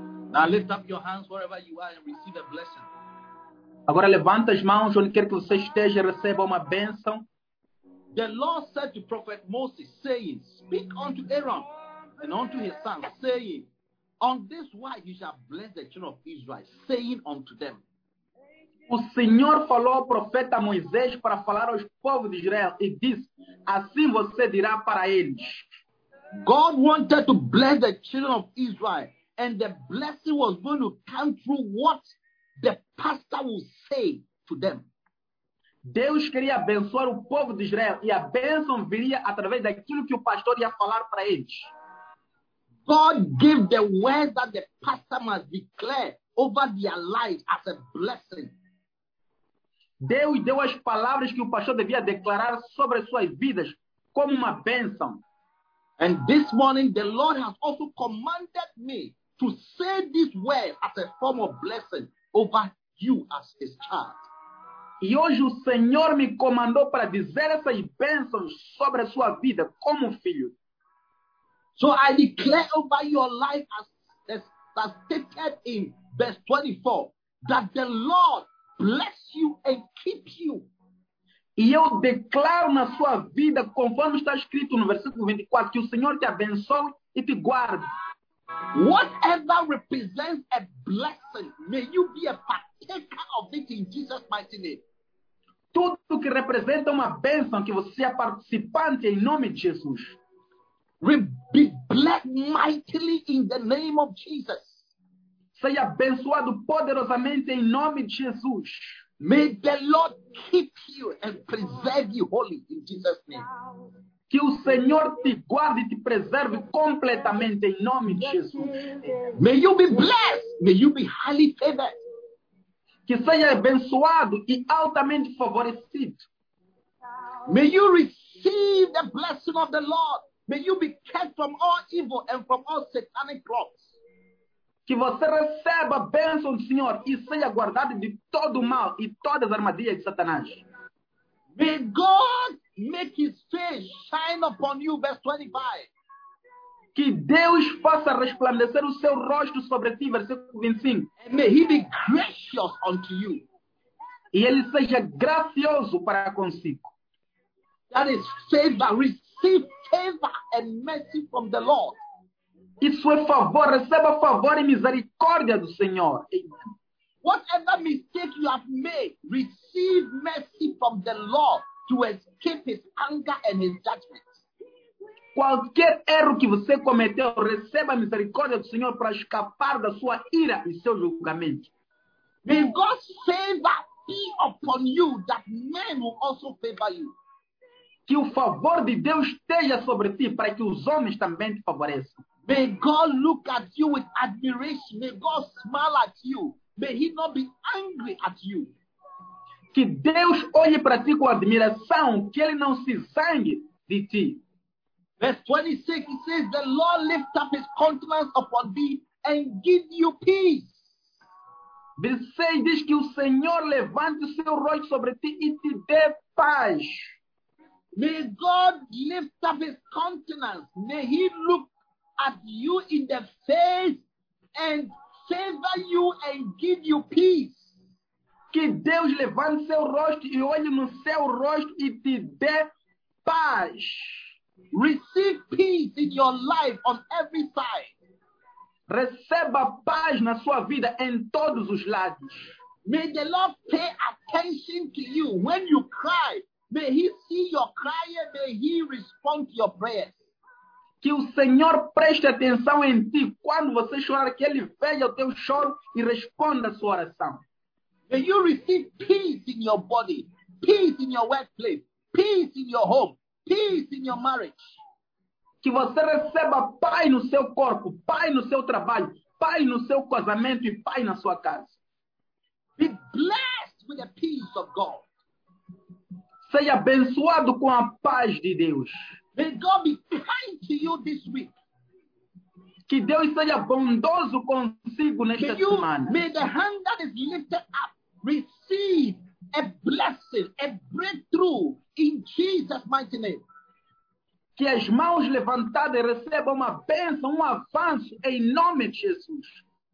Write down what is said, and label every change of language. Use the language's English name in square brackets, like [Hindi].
[English] Now lift up your hands wherever you are and receive a blessing. [Portuguese] Agora levanta as mãos onde quer que você esteja e receba uma bênção. [English] The Lord said to Prophet Moses, saying, speak unto Aaron and unto his son, saying, on this wise you shall bless the children of Israel, saying unto them. [Portuguese] O Senhor falou ao profeta Moisés para falar aos povos de Israel e disse, assim você dirá para eles. [English] God wanted to bless the children of Israel, and the blessing was going to come through what? The pastor will say to them. [Portuguese] Deus queria abençoar o povo de Israel e a bênção viria através daquilo que o pastor ia falar para eles. [English] God gave the words that the pastor must declare over their lives as a blessing. [Portuguese] Deus deu as palavras que o pastor devia declarar sobre suas vidas como uma bênção. [English] And this morning the Lord has also commanded me to say this word as a form of blessing over you as his child. [Portuguese] E hoje o Senhor me comandou para dizer essas bênçãos sobre a sua vida como filho. [English] So I declare over your life as stated in verse 24, that the Lord bless you and keep you. [Portuguese] E eu declaro na sua vida, conforme está escrito no versículo 24, que o Senhor te abençoe e te guarde. [English] Whatever represents a blessing, may you be a partaker of it in Jesus' mighty name. [Portuguese] Tudo que representa uma bênção, que você é participante em nome de Jesus. [English] Be blessed mightily in the name of Jesus. [Portuguese] Seja abençoado poderosamente em nome de Jesus. [English] May the Lord keep you and preserve you wholly in Jesus' name. [Portuguese] Que o Senhor te guarde e te preserve completamente em nome de Jesus. [English] May you be blessed. May you be highly favored. [Portuguese] Que seja abençoado e altamente favorecido. [English] May you receive the blessing of the Lord. May you be kept from all evil and from all satanic plots. [Portuguese] Que você receba a bênção do Senhor e seja guardado de todo o mal e todas as armadilhas de Satanás. [English] May God make his face shine upon you, verse 25. [Portuguese] Que Deus faça resplandecer o seu rosto sobre ti, versículo 25. [English] And may he be gracious unto you. [Portuguese] E ele seja gracioso para consigo. [English] That is favor. Receive favor and mercy from the Lord. [Portuguese] Isso é favor. Receba favor e misericórdia do Senhor. Amen. [English] Whatever mistake you have made, receive mercy from the Lord to escape his anger and his judgment. [Portuguese] Qualquer erro que você cometeu, receba a misericórdia do Senhor para escapar da sua ira e seu julgamento. [English] May God's favor be upon you, that men will also favor you. [Portuguese] Que o favor de Deus esteja sobre ti, para que os homens também te favoreçam. [English] May God look at you with admiration. May God smile at you. May he not be angry at you. [Portuguese] que Deus olhe para ti com admiração, que ele não se zangue de ti. [English] Verse 26, it says, the Lord lift up his countenance upon thee and give you peace. [Portuguese] Versículo 6 diz que o Senhor levante o seu rosto sobre ti e te dê paz. [English] May God lift up his countenance. May he look at you in the face and favor you and give you peace. [Portuguese] Que Deus levante seu rosto e olhe no seu rosto e te dê paz. [English] Receive peace in your life on every side. [Portuguese] Receba paz na sua vida em todos os lados. [English] May the Lord pay attention to you when you cry. May he see your cry and may he respond to your prayer. [Portuguese] Que o Senhor preste atenção em ti quando você chorar, que ele veja o teu choro e responda a sua oração. [English] May you receive peace in your body, peace in your workplace, peace in your home, peace in your marriage. [Portuguese] Que você receba paz no seu corpo, paz no seu trabalho, paz no seu casamento e paz na sua casa. [English] Be blessed with the peace of God. [Portuguese] Seja abençoado com a paz de Deus. [English] May God be kind to you this week. [Portuguese] Que Deus seja bondoso consigo nesta semana. [English] May the hand that is lifted up receive a blessing, a breakthrough in Jesus' mighty name. [Portuguese] Que as mãos levantadas recebam uma bênção, um avanço em nome de Jesus.